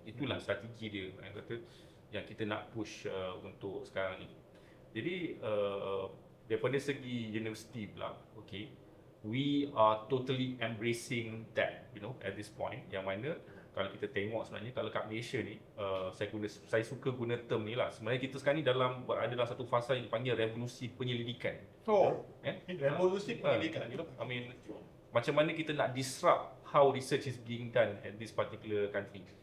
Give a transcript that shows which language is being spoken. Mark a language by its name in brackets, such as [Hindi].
[Malay] Itulah strategi dia yang kata yang kita nak push untuk sekarang ni. Jadi daripada segi universiti pula, [English] okay, we are totally embracing that, you know, at this point. [Malay] Yang mana kalau kita tengok sebenarnya, kalau kat Malaysia ni, saya suka guna term ni lah. Sebenarnya kita sekarang ni berada dalam satu fasa yang dipanggil revolusi penyelidikan. Revolusi penyelidikan, [English] you know. I mean, [Malay] macam mana kita nak [English] disrupt how research is being done at this particular country.